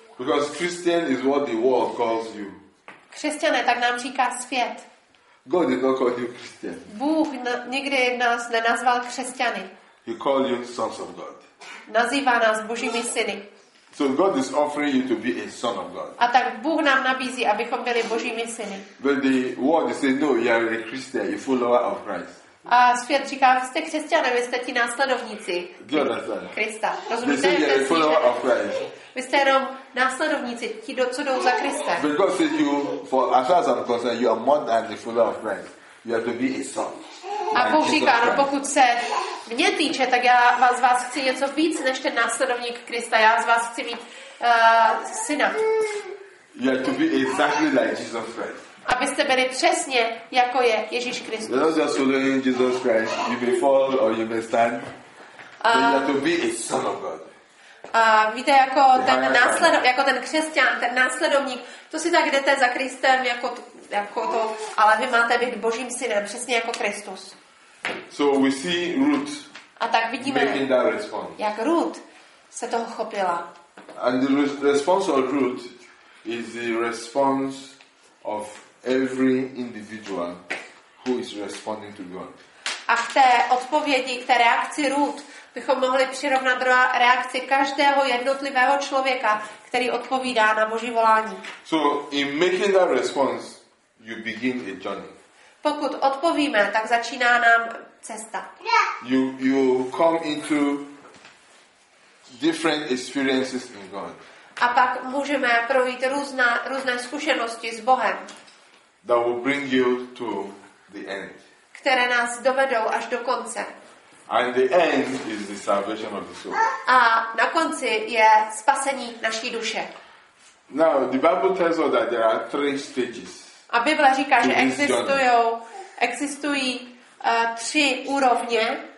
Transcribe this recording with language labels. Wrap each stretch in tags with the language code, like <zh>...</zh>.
<en>Because Christian is what the world calls you.</en> <cs>Křesťané, tak nám říká svět.</cs> <en>God did not call you Christian.</en> <cs>Bůh nikdy nás nenazval křesťany.</cs> <en>He called you sons of God.</en> <cs>Nazývá nás Božími syny.</cs> <en>So God is offering you to be a son of God.</en> <cs>A tak Bůh nám nabízí, abychom byli Božími syny.</cs> <en>But the world says no, you are a Christian, you follower of Christ.</en> <cs>A svět říká, vy jste křesťané, vy jste ti následovníci Krista. Rozumíte, jak to říká? Vy jste jenom následovníci, ti, co jdou za Krista.</cs> <en>Because you, for as far as I'm concerned, you are more than a follower of Christ. You have to be a son.</en> <cs>A Bůh říká, no, pokud se mě týče, tak já vás chci něco víc než ten následovník Krista. Já z vás chci mít syna.</cs> <en>You have to be exactly like Jesus Christ.</en> <cs>Abyste byli přesně jako je Ježíš Kristus.</cs> <en>You're not just following Jesus Christ. You may fall or you may stand. But you have to be a son of God.</en> <cs>Víte, jako ten následovník, jako ten křesťan, ten následovník, to si tak jdete za Kristem jako to, ale vy máte být Božím synem, přesně jako Kristus.</cs> <en>So we see Ruth.</en> <cs>A tak vidíme,</cs> <en>making that response.</en> <cs>Jak Ruth se toho chopila.</cs> <en>And the response of Ruth is the response of every individual who is responding to God.</en> <cs>A k té odpovědi, k té reakci Ruth, bychom mohli přirovnat reakci každého jednotlivého člověka, který odpovídá na Boží volání.</cs> <en>So in making that response, You begin a journey.</en> <cs>Pokud odpovíme, tak začíná nám cesta.</cs> <en>You come into different experiences in God.</en> <cs>A pak můžeme projít různé zkušenosti s Bohem.</cs> <en>That will bring you to the end.</en> <cs>Které nás dovedou až do konce.</cs> <en>And the end is the salvation of the soul.</en> <cs>A na konci je spasení naší duše.</cs> <en>Now the Bible tells us that there are three stages.</en> <cs>A Bible říká, že existují tři úrovně.</cs>